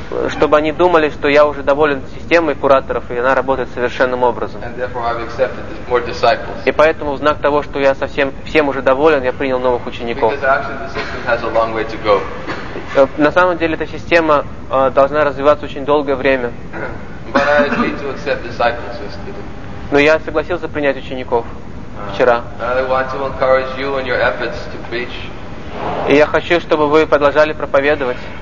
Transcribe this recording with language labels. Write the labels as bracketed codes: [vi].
[ru] Чтобы они думали, что я уже доволен системой кураторов, и она работает совершенным образом. [en] And therefore I've accepted more disciples. [ru] И поэтому в знак того, что я совсем всем уже доволен, я принял новых учеников. [en] Because actually the system has a long way to go. [ru] На самом деле эта система должна развиваться очень долгое время. [en] But I agreed to accept disciples yesterday. [ru] Но я согласился принять учеников вчера. [en] I want to encourage you in your efforts to preach. [ru] И я хочу, чтобы вы продолжали проповедовать.